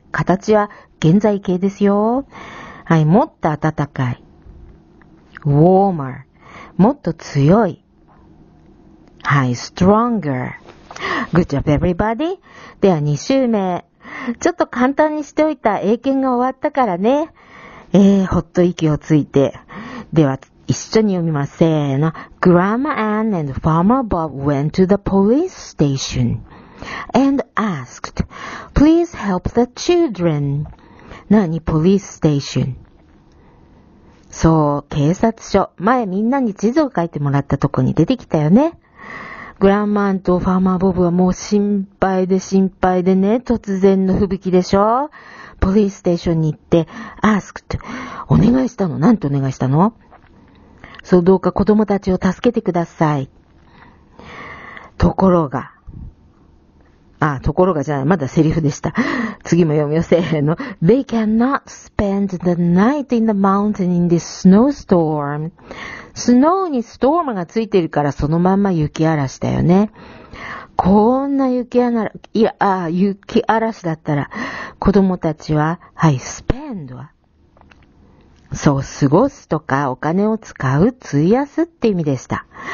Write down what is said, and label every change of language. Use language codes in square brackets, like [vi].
[ja] 形は現在形ですよ。はい、もっと暖かい。warmer. もっと強い。はい、stronger. [en] Good job, everybody. [ja] では2週目。ちょっと簡単にしておいた英検が終わったからね。ほっと息をついて。では、一緒に読みます。せーの。 [en] Grandma Ann and Farmer Bob went to the police station and asked, Please help the children. [ja] 何？Police station. そう、警察署。前みんなに地図を書いてもらったとこに出てきたよね。 Grandma Ann と Farmer Bob はもう心配で心配でね、突然の吹雪でしょ。 Police station に行って asked. お願いしたの？何てお願いしたの？そう、どうか子供たちを助けてください。ところが。ところがじゃない。まだセリフでした。次も読みよ、せーの。 [en] They cannot spend the night in the mountain in this snowstorm. [ja] スノーにストームがついてるからそのまんま雪嵐だよね。こんな雪嵐だったら子供たちは、はい、spend は。そう、過ごすとかお金を使う、費やすって意味でした。